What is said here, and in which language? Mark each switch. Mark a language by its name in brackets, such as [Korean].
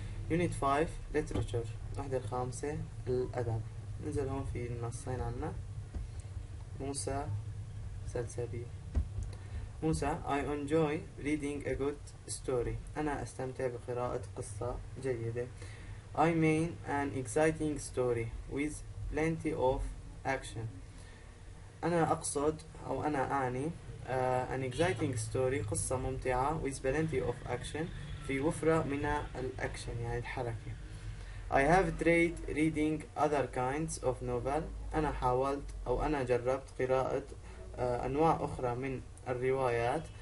[Arabic] يونيت 5 literature، الوحدة الخامسة الأدب. ننزل هون في النصين عنا موسى سلسبيل. [English] موسى: I enjoy reading a good story. [Arabic] أنا أستمتع بقراءة قصة جيدة. [English] I mean an exciting story with plenty of action. [Arabic] أنا أقصد أو أنا أعني [English] an exciting story، [Arabic] قصة ممتعة، [English] with plenty of action، [Arabic] في وفرة من الأكشن يعني الحركة. [English] I have tried reading other kinds of novel. [Arabic] أنا حاولت أو أنا جربت قراءة أنواع أخرى من الروايات.